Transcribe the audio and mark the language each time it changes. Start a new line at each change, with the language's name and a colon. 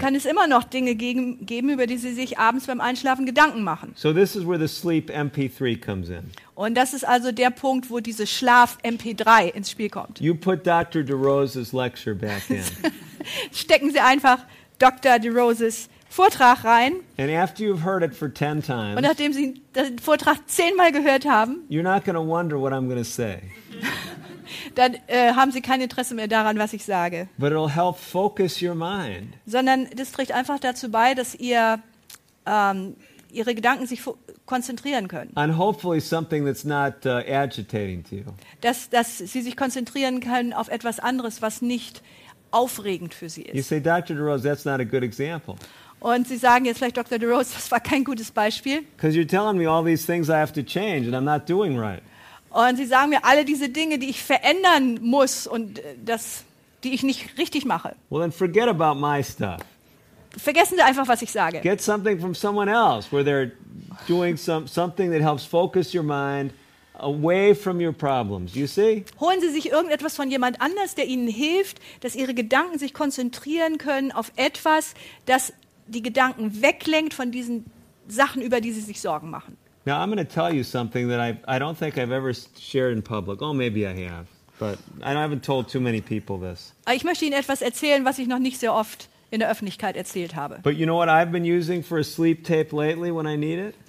German: Kann es immer noch Dinge geben, über die Sie sich abends beim Einschlafen Gedanken machen.
English: So this is where the sleep MP3 comes in.
German: Und das ist also der Punkt, wo diese Schlaf-MP3 ins Spiel kommt.
English: You put Dr. DeRose's lecture back in.
German: Stecken Sie einfach Dr. DeRose's Vortrag rein.
English: And after you've heard it for 10 times,
German: und nachdem Sie den Vortrag 10-mal gehört haben,
English: you're not gonna wonder what I'm gonna say.
German: Dann haben Sie kein Interesse mehr daran, was ich sage.
English: But it'll help focus your mind.
German: Sondern das trägt einfach dazu bei, dass ihr Ihre Gedanken sich konzentrieren können.
English: And hopefully something that's not agitating to you.
German: Dass Sie sich konzentrieren können auf etwas anderes, was nicht aufregend für Sie ist.
English: You say, Dr. DeRose, that's not a good example.
German: Und Sie sagen jetzt vielleicht, Dr. DeRose, das war kein gutes Beispiel.
English: Because you're telling me all these things I have to change and I'm not doing right.
German: Und Sie sagen mir alle diese Dinge, die ich verändern muss und das, die ich nicht richtig mache.
English: Well, then forget about my stuff.
German: Vergessen Sie einfach, was ich sage.
English: Get something from someone else, where they're doing something that helps focus your mind away from your problems. You see?
German: Holen Sie sich irgendetwas von jemand anders, der Ihnen hilft, dass Ihre Gedanken sich konzentrieren können auf etwas, das die Gedanken weglenkt von diesen Sachen, über die Sie sich Sorgen machen.
English: Now I'm going to tell you something that I don't think I've ever shared in public. Oh, maybe I have, but I haven't told too many people this.
German: Ich möchte Ihnen etwas erzählen, was ich noch nicht sehr oft in der Öffentlichkeit erzählt habe.
English: But you know what I've been using for a sleep tape lately when I need it?